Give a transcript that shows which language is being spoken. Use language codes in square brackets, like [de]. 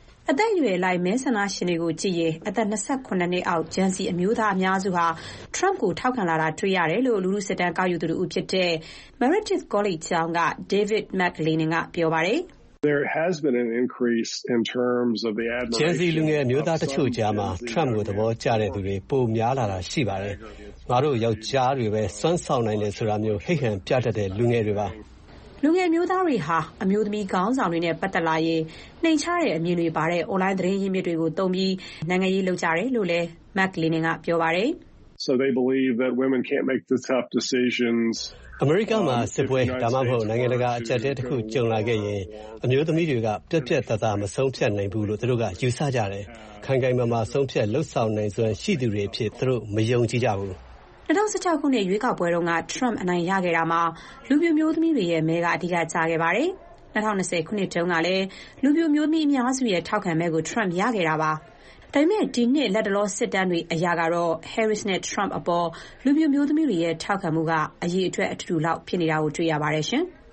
[my] အသက်အရွယ်လိုက်မဲဆန္ဒရှင်တွေကိုကြည့်ရင်အသက်28နှစ်အောက်ဂျန်စီအမျိုးသားအများစုဟာထရမ့်ကိုထောက်ခံလာတာတွေ့ရတယ်လို့လူလူစစ်တမ်းကောက်ယူသူတို့ဦးဖြစ်တဲ့ Meredith College ကျောင်းက David McLean ကပြောပါတယ် [en] There has been an increase in terms of the admiration. [my] ချစ်စီလူငယ်အမျိုးသားတချို့ကြားမှာထရမ့်ကိုသဘောကျတဲ့သူတွေပိုများလာတာရှိပါတယ်။ငါတို့ယောက်ျားတွေပဲစွန့်ဆောင်နိုင်တယ်ဆိုတာမျိုးဟိတ်ဟန်ပြတ်တဲ့လူငယ်တွေပါ။ လူငယ်မျိုးသားတွေဟာအမျိုးသမီးခေါင်းဆောင်တွေနဲ့ပတ်သက်လာရင်နှိမ်ချတဲ့အမြင်တွေပါတဲ့ online သတင်းရင်းမြစ်တွေကိုတုံပြီးနိုင်ငံရေးလုပ်ကြတယ်လို့လည်း McLean ကပြောပါတယ် [en] ။ So they believe that women can't make the tough decisions. [my] America မှာစစ်ပွဲဒါမှမဟုတ်နိုင်ငံတကာအကြမ်းတဲတစ်ခုကြုံလာခဲ့ရင်အမျိုးသမီးတွေကပြတ်ပြတ်သားသားမဆုံးဖြတ်နိုင်ဘူးလို့သူတို့ကယူဆကြတယ်။ခိုင်ခိုင်မာမာဆုံးဖြတ်လုဆောင်နိုင်စွမ်းရှိသူတွေဖြစ်သူတို့မယုံကြည်ကြဘူး။ 2016ခုနှစ်ရွေးကောက်ပွဲတုန်းကထရမ့်အနိုင်ရခဲ့တာမှာလူမျိုးမျိုးသမီးတွေရဲ့မဲကအဓိကကျခဲ့ပါတယ်။2020ခုနှစ်တုန်းကလည်းလူမျိုးမျိုးသမီးအများစုရဲ့ထောက်ခံမဲကိုထရမ့်ရခဲ့တာပါ။ဒါပေမဲ့ဒီနှစ်လက်တလောစစ်တမ်းတွေအရာကတော့ Harris နဲ့ Trump အပေါ်လူမျိုးမျိုးသမီးတွေရဲ့ထောက်ခံမှုကအရေးအထွေအထူးတူလောက်ဖြစ်နေတာကိုတွေ့ရပါတယ်ရှင်